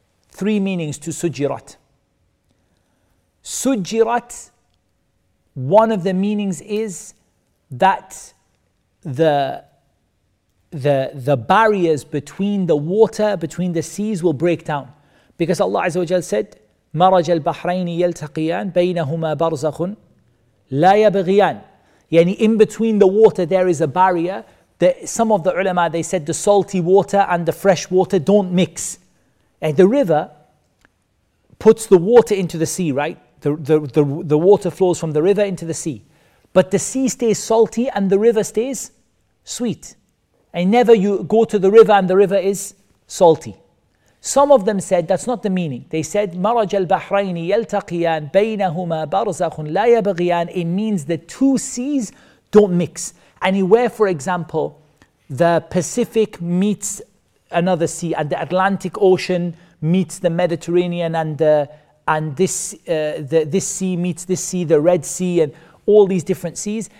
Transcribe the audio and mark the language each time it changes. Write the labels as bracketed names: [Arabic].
[English] Three meanings to سُجِّرَتْ. سُجِّرَتْ, one of the meanings is that the barriers between the water, between the seas, will break down. Because Allah Azza wa Jalla said, [Arabic] مَرَجَ الْبَحْرَيْنِ يَلْتَقِيَانْ بَيْنَهُمَا بَرْزَخٌ لَا يَبْغِيَانْ. [English] Yani in between the water there is a barrier. Some of the ulama, they said the salty water and the fresh water don't mix. And the river puts the water into the sea, right? The water flows from the river into the sea. But the sea stays salty and the river stays sweet. And never you go to the river and the river is salty. Some of them said that's not the meaning. They said [Arabic] مرج البحرين يلتقيان بينهما برزخ لا يبغيان. [English] It means the two seas don't mix. Anywhere, for example, the Pacific meets another sea, and the Atlantic Ocean meets the Mediterranean, and this sea meets this sea, the Red Sea, and all these different seas.